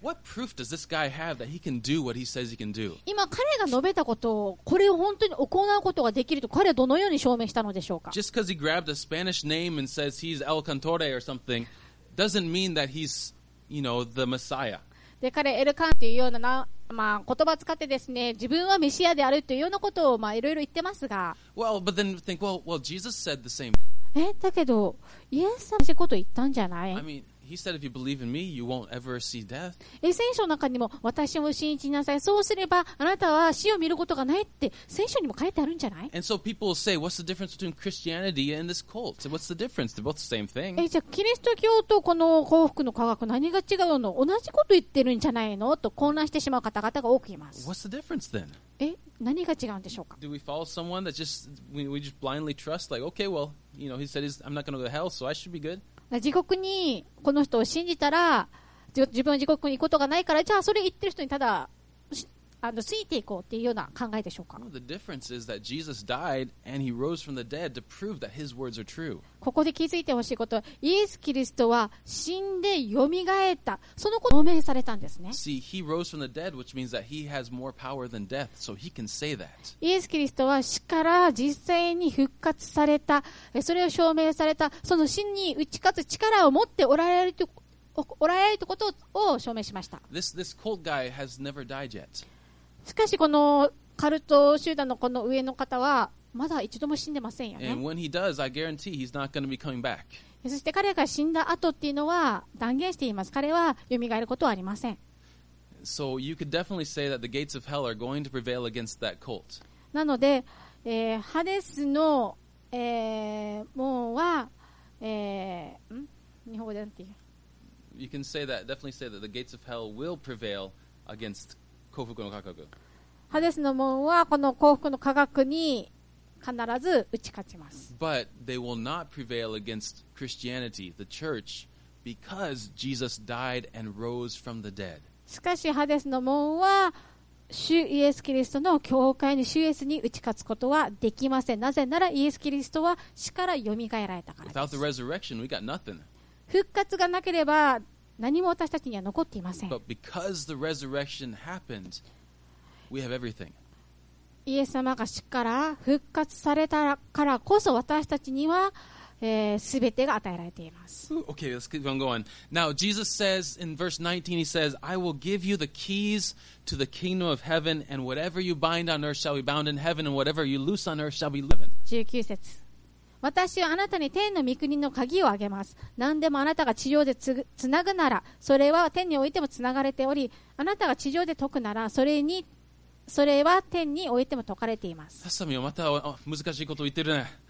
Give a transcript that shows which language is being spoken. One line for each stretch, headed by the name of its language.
English: What proof does this guy have that he can do what he says he can do?
Japanese: 今彼が述べたことを、これを本当に行うことができると彼はどのように証明したのでしょうか?
English: Just because he grabbed a Spanish name and says he's El Cantore or something, doesn't mean that he's, you know, the Messiah.
Japanese: で彼エルカンというような、まあ、言葉を使ってですね自分はメシアであるというようなことを、まあ、いろいろ言ってますが
English: well, but then think, well, Jesus said the same.
Japanese: えだけどイエス様は同じことを言ったんじゃない?
English: I mean, he said if you believe in me, you won't ever see death.
Japanese: 聖書の中にも私を信じなさいそうすればあなたは死を見ることがないって聖書にも書いてあるんじゃない?
English: And so people say, what's the difference between Christianity and this cult? What's the difference? They're both the same thing.
Japanese: じゃあキリスト教とこの幸福の科学何が違うの? 同じこと言ってるんじゃないの?と混乱してしまう方々が多くいます。
English: What's the difference then?
Japanese: 何が違うんでしょうか?
English: Do we follow someone that just, we just blindly trust? Like, okay, well, you know, he said, I'm not going to go to hell, so I should be good.
Japanese: 地獄にこの人を信じたら自分は地獄に行くことがないからじゃあそれ言ってる人にただあのついていこうっていうような考えでしょうか。
English: No, the difference is that Jesus died and he rose from the dead to prove that his words are true.
Japanese: ここで気づいてほしいことイエス・キリストは死んでよみがえったそのことを証明されたんですね。
English: See, he rose from the dead, which means that he has more power than death, so he can say that.
Japanese: イエス・キリストは死から実際に復活されたそれを証明されたその死に打ち勝つ力を持っておられるということを証明しました。
English: This cult guy has never died yet.
Japanese: しかしこのカルト集団のこの上の方はまだ一度も死んでませんよね。
English: And when he does, I guarantee he's not going to be coming back.
Japanese: そして彼が死んだ後っていうのは断言しています。彼は蘇ることはありません。
English: So you could definitely say that the gates of hell are going to prevail against that cult.
Japanese: なので、ハデスの、門は、日本語でなんて言う。
English: You can say that, definitely say that the gates of hell will prevail against 幸福の科学。
Japanese: ハデスの門はこの幸福の科学に必ず打ち勝ちます。
English: But they will not prevail against Christianity, the church, because Jesus died and rose from the dead.
Japanese: しかしハデスの門は主イエスキリストの教会に主イエスに打ち勝つことはできません。なぜならイエスキリストは死から蘇られたからです。
English: Without the resurrection, we got nothing.
Japanese: 復活がなければ何も私たちには残っていません。
English: But because the resurrection happened, we have everything.
Japanese: イエス様が死から復活されたからこそ私たちには、全てが与えられています。
English: Okay, let's keep on going. Now, Jesus says in verse 19, he says, I will give you the keys to the kingdom of heaven, and whatever you bind on earth shall be bound in heaven, and whatever you loose on earth shall be loosed in heaven. 19
Japanese: 節私はあなたに天の御国の鍵をあげます。何でもあなたが地上でつなぐなら、それは天においてもつながれており、あなたが地上で解くなら、それは天においても解かれています。ハサミよ、また難しいことを言ってるね。